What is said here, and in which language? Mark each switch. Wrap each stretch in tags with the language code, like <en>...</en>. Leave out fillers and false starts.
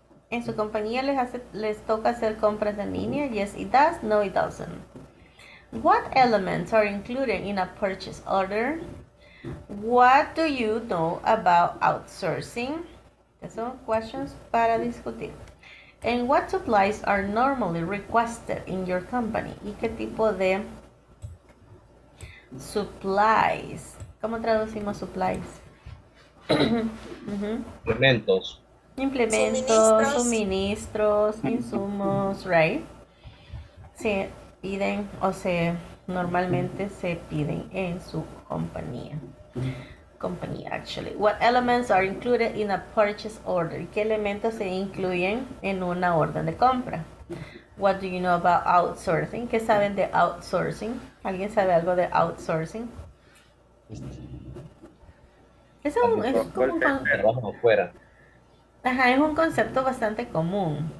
<es>¿En su compañía les toca hacer compras en línea?</es> <en>Yes, it does. No, it doesn't. What elements are included in a purchase order? What do you know about outsourcing?</en> <es>Esas son questions para discutir.</es> <en>And what supplies are normally requested in your company?</en> <es>¿Y qué tipo de supplies? ¿Cómo traducimos supplies? Elementos. Implementos, suministros, insumos, right? Se piden o se normalmente se piden en su compañía.</es> <en>Company, actually. What elements are included in a purchase order?</en> <es>¿Qué elementos se incluyen en una orden de compra?</es> <en>What do you know about outsourcing?</en> <es>¿Qué saben de outsourcing? ¿Alguien sabe algo de outsourcing? Es un concepto bastante común.</es>